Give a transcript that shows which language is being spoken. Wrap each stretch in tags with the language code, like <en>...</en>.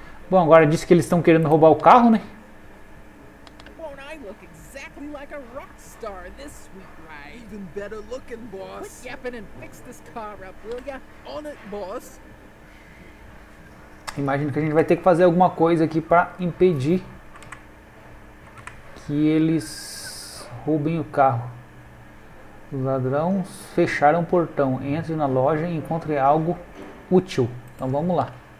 <pt>Bom, agora disse que eles estão querendo roubar o carro, né?</pt> <en>Won't I look exactly like a rock star this sweet ride? Even better looking, boss. Quit yapping and fix this car up, will ya? On it, boss.</en> <pt>Imagino que a gente vai ter que fazer alguma coisa aqui para impedir que eles roubem o carro. Os ladrões fecharam o portão. Entre na loja e encontre algo útil. Então vamos lá.</pt>